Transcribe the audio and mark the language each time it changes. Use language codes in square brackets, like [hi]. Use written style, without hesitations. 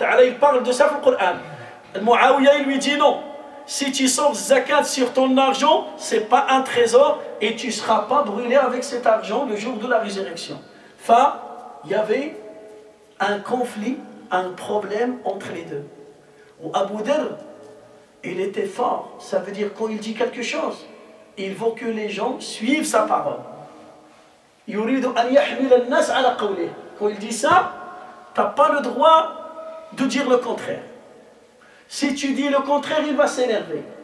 [fr] Il parle de ça dans le Coran. Muawiyah, il lui dit non. Si tu sors zakat sur ton argent, ce n'est pas un trésor et tu ne seras pas brûlé avec cet argent le jour de la résurrection. Enfin, il y avait un conflit, un problème entre les deux. Abu Dhar, il était fort. Ça veut dire quand il dit quelque chose, il faut que les gens suivent sa parole. [ar] يريد أن يحمل الناس على قوله. [fr] Quand il dit ça, tu n'as pas le droit de dire le contraire. Si tu dis le contraire, il va s'énerver.